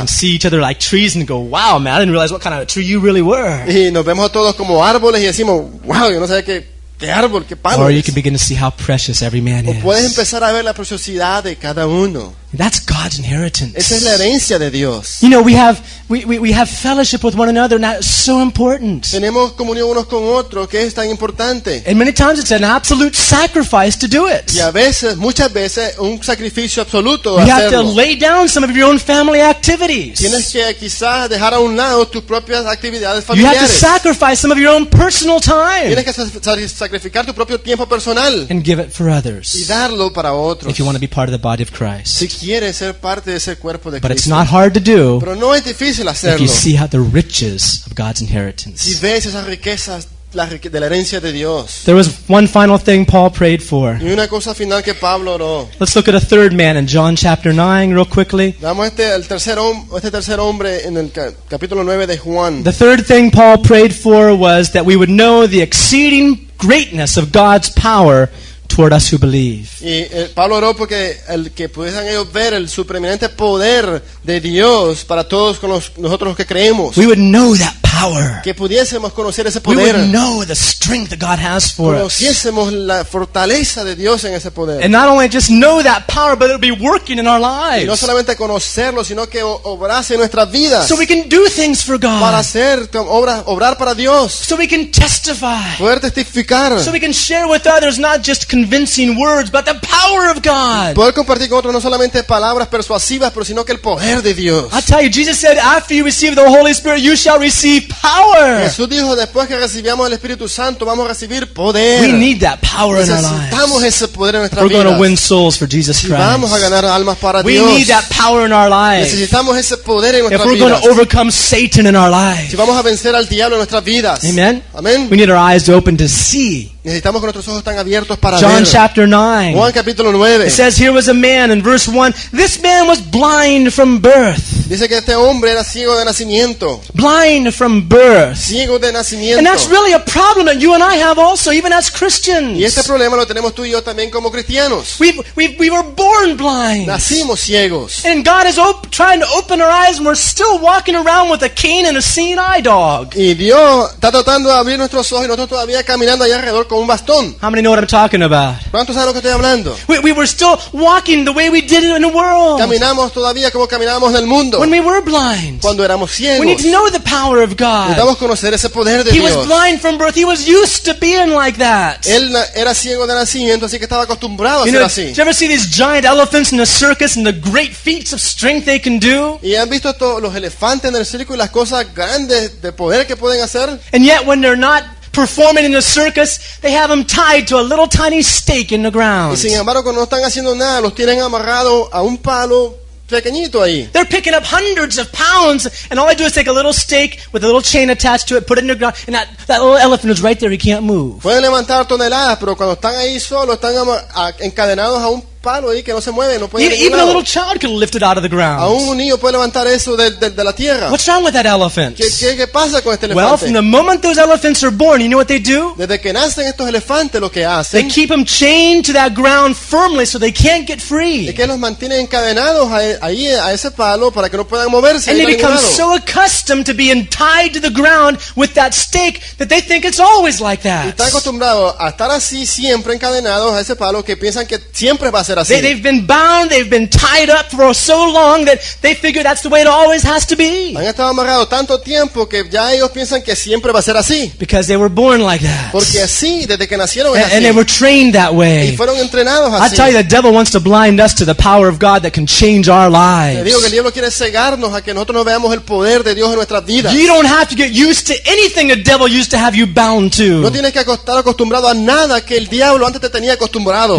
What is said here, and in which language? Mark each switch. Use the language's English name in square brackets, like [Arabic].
[English] And see each other like trees and go, wow, man, I didn't realize what kind of a tree you really were. [Spanish] Y nos vemos a todos como árboles y decimos, wow, yo no sabía qué árbol, qué palo. [English] Or you can begin to see how precious every man [Spanish] is. O puedes empezar a ver la preciosidad de cada uno. [English] That's God's inheritance. [Spanish] Esa es la herencia de Dios. [English] You know, we have fellowship with one another, and that's so important. [Spanish] Tenemos comunión unos con otros, que es tan importante. [English] And many times it's an absolute sacrifice to do it. [Spanish] Y a veces, muchas veces, un sacrificio absoluto [English] you [Spanish] hacerlo. [English] Have to lay down some of your own family activities. [Spanish] Tienes que quizás dejar a un lado tus propias actividades familiares. [English] You have to sacrifice some of your own personal time. [Spanish] Tienes que sacrificar tu propio tiempo personal. [English] And give it for others. [Spanish] Y darlo para otros. [English] If you want to be part of the body of Christ. [Spanish] Quiere ser parte de ese cuerpo de [English] but [Spanish] Cristo. [English] It's not hard to do. [Spanish] Pero no es difícil hacerlo. [English] If you see how the riches of God's inheritance. [Spanish] Si ves esas riquezas de la herencia de Dios. [English] There was one final thing Paul prayed for. [Spanish] Y una cosa final que Pablo oró. [English] Let's look at a third man in John chapter 9 real quickly. [Spanish] Damos este tercer hombre en el capítulo 9 de Juan. [English] The third thing Paul prayed for was that we would know the exceeding greatness of God's power toward us who believe. [Spanish] Y Pablo oró porque el que pudiesen ellos ver el supremamente poder de Dios para todos con nosotros que creemos. [English] We would know that power. [Spanish] Que pudiésemos conocer ese poder. [English] We would know the strength that God has for us. [Spanish] Conociésemos la fortaleza de Dios en ese poder. [English] And not only just know that power, but it would be working in our lives. [Spanish] Y no solamente conocerlo, sino que obrase en nuestras vidas. [English] So we can do things for God. [Spanish] Para hacer obrar para Dios. [English] So we can testify. [Spanish] Poder testificar. [English] So we can share with others not just convincing words, but the power of God. [Spanish] Poder compartir con otros no solamente palabras persuasivas, pero sino que el poder de Dios. [English] I tell you, Jesus said, "After you receive the Holy Spirit, you shall receive power." [Spanish] Jesús dijo, después que recibamos el Espíritu Santo, vamos a recibir poder. [English] We need that power in our lives. [Spanish] Necesitamos ese poder en nuestras vidas. [English] We're going to win souls for Jesus Christ. [Spanish] Vamos a ganar almas para Dios. [English] We need that power in our lives. [Spanish] Necesitamos ese poder en nuestras vidas. [English] If we're going to overcome Satan in our lives. [Spanish] Si vamos a vencer al diablo en nuestras vidas. [English] Amen. [Spanish] Amen. [English] We need our eyes to open to see. [Spanish] Necesitamos que nuestros ojos estén abiertos para [English] John [Spanish] ver. [English] Chapter 9. [Spanish] Juan capítulo 9. [English] It says here was a man in verse 1. This man was blind from birth. [Spanish] Dice que este hombre era ciego de nacimiento. [English] Blind from birth. [Spanish] Ciego de nacimiento. [English] And that's really a problem that you and I have also, even as Christians. [Spanish] Y este problema lo tenemos tú y yo también como cristianos. [English] We were born blind. [Spanish] Nacimos ciegos. [English] And God is trying to open our eyes, and we're still walking around with a cane and a seeing eye dog. [Spanish] Y Dios está tratando de abrir nuestros ojos y nosotros todavía caminando allá alrededor. [English] How many know what I'm talking about? [Spanish] ¿Cuántos saben lo que estoy hablando? [English] We were still walking the way we did it in the world. [Spanish] Caminamos todavía como caminábamos en el mundo. [English] When we were blind. [Spanish] Cuando éramos ciegos. [English] We need to know the power of God. [Spanish] Necesitamos conocer ese poder de [English] He [Spanish] Dios. [English] He was blind from birth. He was used to being like that. [Spanish] Él era ciego de nacimiento, así que estaba acostumbrado [English] you [Spanish] a [English] know, [Spanish] ser así. [English] Did you ever see these giant elephants in the circus and the great feats of strength they can do? [Spanish] ¿Y han visto todos los elefantes en el circo y las cosas grandes de poder que pueden hacer? [English] And yet when they're not performing in the circus, they have them tied to a little tiny stake in the ground. [Spanish] Y sin embargo, cuando no están haciendo nada, los tienen amarrado a un palo pequeñito ahí. [English] They're picking up hundreds of pounds, and all I do is take a little stake with a little chain attached to it, put it in the ground, and that little elephant is right there. He can't move. [Spanish] Pueden levantar toneladas, pero cuando están ahí solos, están encadenados a un palo ahí que no se mueve, no pueden. [English] Even a little child can lift it out of the ground. [Spanish] A un niño puede levantar eso de la tierra. [English] What's wrong with that elephant? [Spanish] ¿Qué pasa con este elefante? [English] Well, from the moment those elephants are born, you know what they do? [Spanish] Desde que nacen estos elefantes, lo que hacen. [English] They keep them chained to that ground firmly so they can't get free. [Spanish] Es que los mantienen encadenados ahí a ese palo para que no puedan moverse. [English] And they become so accustomed to being tied to the ground with that stake that they think it's always like that. [Spanish] Están acostumbrados a estar así siempre encadenados a ese palo que piensan que siempre va a ser. ser así. [English] They've been bound, they've been tied up for so long that they figure that's the way it always has to be. [Spanish] Han estado amarrados tanto tiempo que ya ellos piensan que siempre va a ser así. [English] Because they were born like that. [Spanish] Porque así, desde que nacieron es así. [English] And they were trained that way. [Spanish] Y fueron entrenados así. [English] I tell you, the devil wants to blind us to the power of God that can change our lives. [Spanish] Te digo que el diablo quiere cegarnos a que nosotros no veamos el poder de Dios en nuestras vidas. [English] You don't have to get used to anything the devil used to have you bound to. [Spanish] No tienes que estar acostumbrado a nada que el diablo antes te tenía acostumbrado.